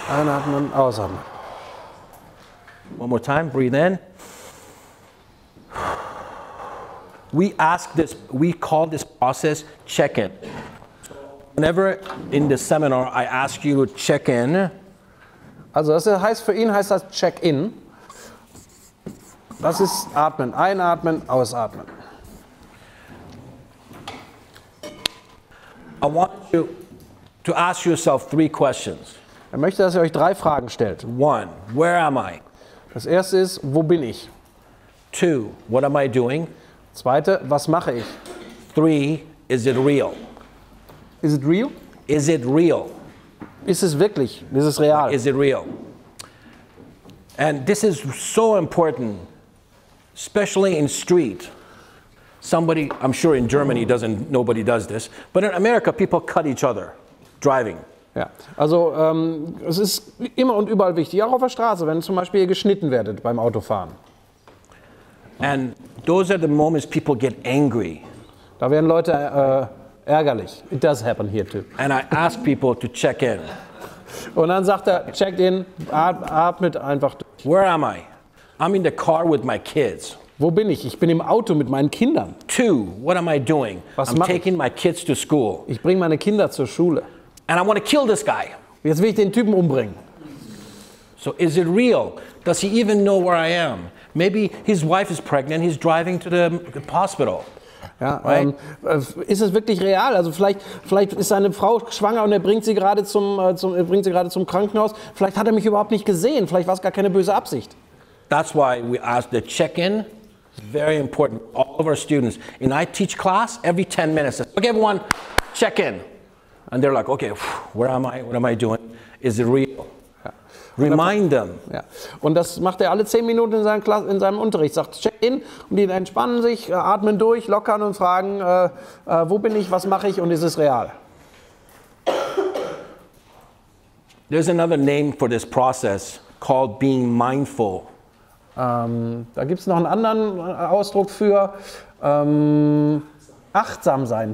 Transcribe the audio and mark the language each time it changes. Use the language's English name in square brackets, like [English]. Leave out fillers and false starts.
[German] Einatmen, ausatmen. [English] One more time, breathe in. We ask this, we call this process check-in. Whenever in the seminar I ask you to check-in. [German] Also das heißt, für ihn heißt das check-in. Das ist atmen, einatmen, ausatmen. [English] I want you to ask yourself three questions. [German] Er möchte, dass ihr euch drei Fragen stellt. [English] One, where am I? [German] Das erste ist, wo bin ich? [English] Two, what am I doing? Zweite, was mache ich? Three, is it real? Is it real? Is it real? [German] Ist es wirklich? Ist es real? [English] Is it real? And this is so important especially in street, somebody, I'm sure in Germany doesn't, nobody does this, but in America people cut each other driving. [German] Ja, also es ist immer und überall wichtig, auch auf der Straße, wenn zum Beispiel ihr geschnitten werdet beim Autofahren. [English] And those are the moments people get angry. [German] Da werden Leute ärgerlich. [English] It does happen here too. And I ask people to check in. [German] Und dann sagt er, checkt in, atmet einfach. [English] Where am I? I'm in the car with my kids. [German] Wo bin ich? Ich bin im Auto mit meinen Kindern. [English] Two, what am I doing? [German] Was [English] I'm taking my kids to school. [German] Ich bringe meine Kinder zur Schule. [English] And I want to kill this guy. [German] Jetzt will ich den Typen umbringen. [English] So is it real? Does he even know where I am? Maybe his wife is pregnant, he's driving to the hospital. [German] Ja, right? Ist es wirklich real? Also vielleicht ist seine Frau schwanger und er bringt sie gerade zum Krankenhaus. Vielleicht hat er mich überhaupt nicht gesehen. Vielleicht war es gar keine böse Absicht. [English] That's why we ask the check-in. Very important. All of our students. And I teach class every 10 minutes. Okay, everyone, check-in. And they're like, okay, where am I? What am I doing? Is it real? Remind them. [German] Ja. Und das macht er alle 10 Minuten in seinem Unterricht. Sagt, check in. Und die entspannen sich, atmen durch, lockern und fragen, wo bin ich, was mache ich und ist es real? [English] There's another name for this process called being mindful. [German] Da gibt es noch einen anderen Ausdruck für achtsam sein.